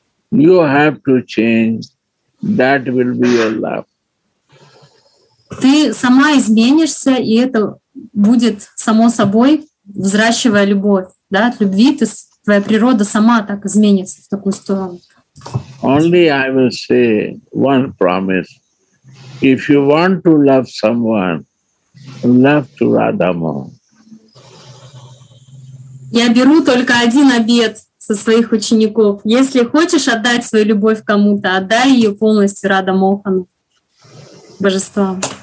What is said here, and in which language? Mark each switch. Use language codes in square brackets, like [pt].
[en] You have to change. That will be your love. [ru] Ты сама изменишься, и это будет само собой, взращивая любовь, да, от любви, ты, твоя природа сама так изменится в такую сторону. [en] Only I will say one promise. If you want to love someone, love to Radha Mohan. [ru] Я беру только один обет со своих учеников. Если хочешь отдать свою любовь кому-то, отдай ее полностью Радха Мохану, Божеству.